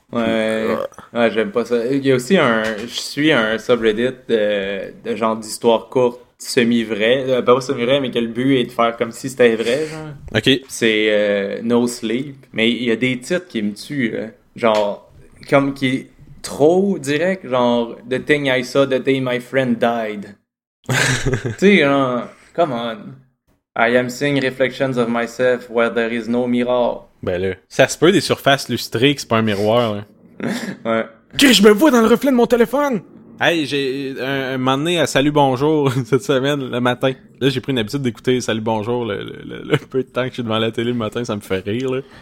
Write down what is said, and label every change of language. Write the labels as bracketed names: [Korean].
[French] Ouais, j'aime pas ça. Il y a aussi Je suis un subreddit de genre d'histoire courte semi-vrai. Pas semi-vrai, mais que le but est de faire comme si c'était vrai, genre. OK. C'est No Sleep. Mais il y a des titres qui me tuent, là. Genre, comme qui est trop direct, genre... [English] The thing I saw the day my friend died. [French] Tu sais, hein, [English] come on. I am seeing reflections of myself where there is no mirror. [French] Ben là, ça se peut des surfaces lustrées que c'est pas un miroir. Hein. Ouais. Que je me vois dans le reflet de mon téléphone. Hey, j'ai un moment donné à Salut Bonjour cette semaine, le matin. Là, j'ai pris une habitude d'écouter Salut Bonjour le peu de temps que je suis devant la télé le matin, ça me fait rire. Là.